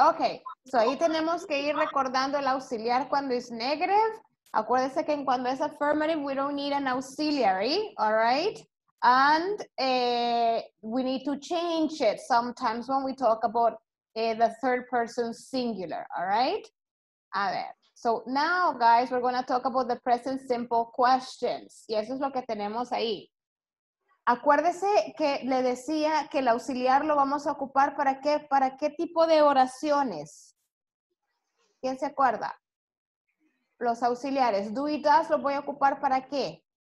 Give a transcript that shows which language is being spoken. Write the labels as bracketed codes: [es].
[en] Okay, so [es] ahí tenemos que ir recordando el auxiliar cuando es negative. Acuérdese que cuando es [en] affirmative, we don't need an auxiliary, all right? And we need to change it sometimes when we talk about the third person singular, all right? [es] A ver. [en] So now, guys, we're going to talk about the present simple questions. [es] Y eso es lo que tenemos ahí. Acuérdese que le decía que el auxiliar lo vamos a ocupar ¿para qué? ¿Para qué tipo de oraciones? ¿Quién se acuerda? Los auxiliares. Do y does lo voy a ocupar ¿para qué?